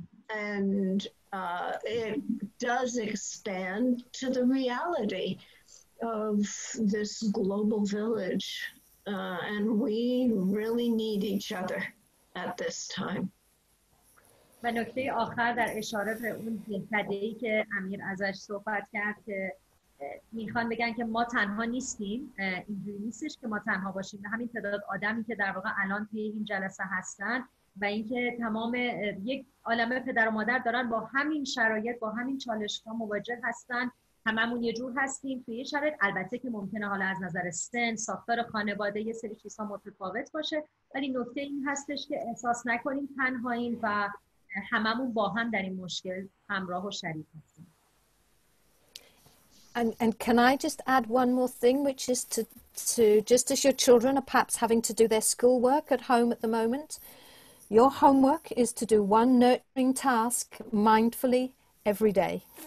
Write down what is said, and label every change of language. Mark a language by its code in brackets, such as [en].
[en] And it does expand to the reality of this global village, and we really need each other at this time. [fa] و نکته آخر در اشاره به اون دهکده‌ای که امیر ازش صحبت کرد که میخوان بگن که ما تنها نیستیم. اینجوری نیستش که ما تنها باشیم. همین تعداد آدمی که در واقع الان توی این جلسه هستن و اینکه تمام یک عالمه پدر و مادر دارن با همین شرایط با همین چالش‌ها مواجه هستن. هممون یه جور هستیم توی یه شرط، البته که ممکنه حالا از نظر سن، ساختار خانواده یه سری چیزها متفاوت باشه، ولی نکته این هستش که احساس نکنیم تنهاییم و هممون با هم در این مشکل همراه و شریک هستیم. [en] And can I just add one more thing, which is to just as your children are perhaps having to do their schoolwork at home at the moment, your homework is to do one nurturing task mindfully every day.